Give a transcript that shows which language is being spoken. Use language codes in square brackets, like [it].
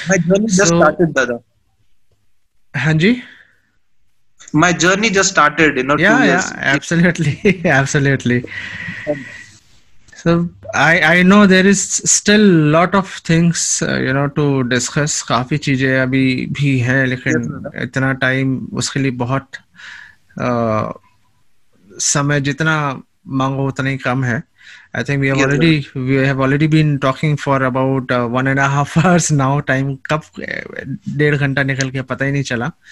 [en] My journey just started, dada. [hi] Hanji? [en] My journey just started, you know, yeah, 2 years. Yeah, absolutely. So I know there is still lot of things you know to discuss. [hi] काफी चीजें अभी भी हैं लेकिन इतना time उसके लिए बहुत समय जितना मांगो उतना ही कम है. [en] I think we have already been talking for about 1.5 hours now. [hi] Time कब डेढ़ घंटा निकल के पता ही नहीं चला.